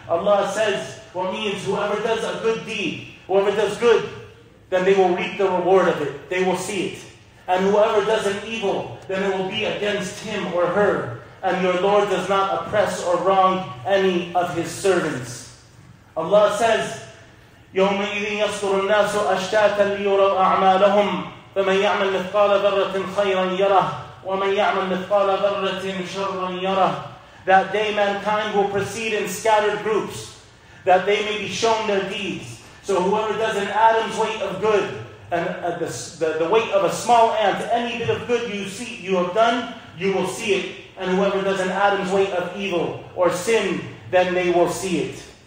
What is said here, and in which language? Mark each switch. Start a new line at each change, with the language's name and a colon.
English: Allah says, what means, whoever does a good deed, whoever does good, then they will reap the reward of it. They will see it. And whoever does an evil, then it will be against him or her. And your Lord does not oppress or wrong any of his servants. Allah says,
Arabic: يَوْمَ إِذٍ يَصْدُرُ النَّاسُ أَشْتَاتًا لِيُرَوْا أَعْمَالَهُمْ فَمَنْ يَعْمَلْ مِثْقَالَ ذَرَّةٍ خَيْرًا يَرَهُ وَمَنْ يَعْمَلْ مِثْقَالَ ذَرَّةٍ شَرًّا يَرَهُ.
English: That day mankind will proceed in scattered groups, that they may be shown their deeds. So whoever does an atom's weight of good, and the weight of a small ant, any bit of good you see, you have done, you will see it. And whoever does an atom's weight of evil or sin, then they will see it.